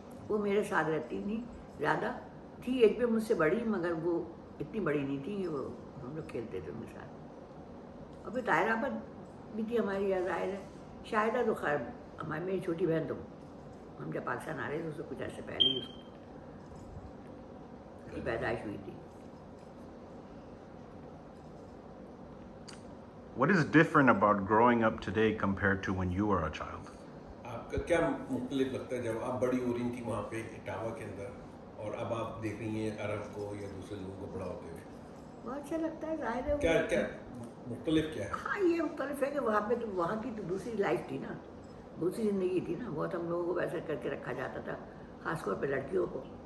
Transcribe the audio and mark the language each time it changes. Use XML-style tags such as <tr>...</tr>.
<hi>वो मेरे साथ रहती थी ज़्यादा थी एक पे मुझसे बड़ी मगर वो इतनी बड़ी नहीं थी वो हम लोग खेलते थे उनके साथ और फिर तायराबाद भी थी हमारी ज़ाहिर है शायद तो खैर हमारी मेरी छोटी बहन तो हम जब पाकिस्तान आ रहे थे उससे कुछ ऐसे पहले ही उसको पैदाइश हुई थी</hi> <en>What is different about growing up today compared to when you were a child?</en> <hi>आपका क्या मुख्तलिफ लगता है जब आप बड़ी हो रही थी वहाँ पे इटावा के अंदर और अब आप देख रही हैं अरब को या दूसरे लोगों को बड़ा होते हुए बहुत अच्छा लगता है जाहिर है क्या क्या मुख्तलिफ क्या है हाँ ये मुख्तलिफ है कि वहाँ पे तो वहाँ की तो दूसरी लाइफ थी ना दूसरी ज़िंदगी थी ना बहुत हम लोगों को वैसा करके रखा जाता था ख़ासतौर पर लड़कियों को</hi>